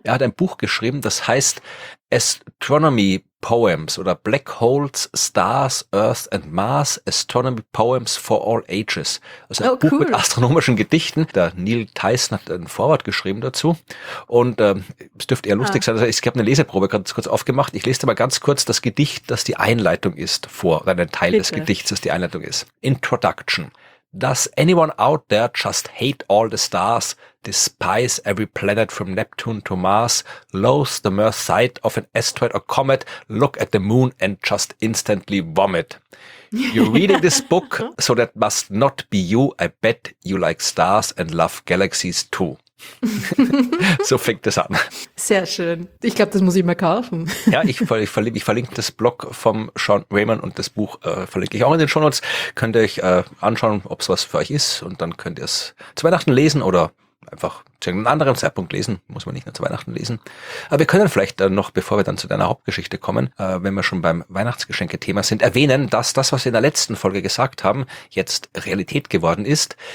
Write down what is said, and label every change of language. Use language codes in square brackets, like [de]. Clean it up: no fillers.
[de] Er hat ein Buch geschrieben, das heißt Astronomy Poems oder Black Holes, Stars, Earth and Mars, Astronomy Poems for All Ages. Also ein Buch mit astronomischen Gedichten. Der Neil Tyson hat ein Vorwort geschrieben dazu. Und es dürfte eher lustig sein. Also ich habe eine Leseprobe gerade kurz aufgemacht. Ich lese dir mal ganz kurz das Gedicht, das die Einleitung ist vor, oder ein Teil des Gedichts, das die Einleitung ist. [en] Introduction. Does anyone out there just hate all the stars, despise every planet from Neptune to Mars, loathe the mere sight of an asteroid or comet, look at the moon and just instantly vomit? You're reading this book, so that must not be you. I bet you like stars and love galaxies too. [de] So fängt das an. Sehr schön. Ich glaube, das muss ich mir kaufen. Ja, ich verlinke das Blog vom Sean Raymond und das Buch verlinke ich auch in den Shownotes. Könnt ihr euch anschauen, ob es was für euch ist und dann könnt ihr es zu Weihnachten lesen oder einfach zu einem anderen Zeitpunkt lesen. Muss man nicht nur zu Weihnachten lesen. Aber wir können vielleicht noch, bevor wir dann zu deiner Hauptgeschichte kommen, wenn wir schon beim Weihnachtsgeschenke-Thema sind, erwähnen, dass das, was wir in der letzten Folge gesagt haben, jetzt Realität geworden ist.